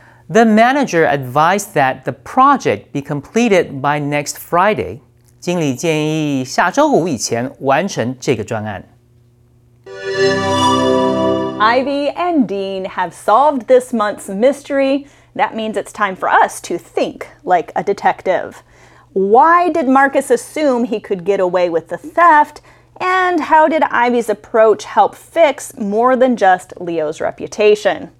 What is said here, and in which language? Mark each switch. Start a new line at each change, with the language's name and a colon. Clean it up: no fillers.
English: The manager advised that the project be completed by next Friday.
Chinese: 经理建议下周五以前完成这个专案。
English: Ivy and Dean have solved this month's mystery. That means it's time for us to think like a detective. Why did Marcus assume he could get away with the theft? And how did Ivy's approach help fix more than just Leo's reputation?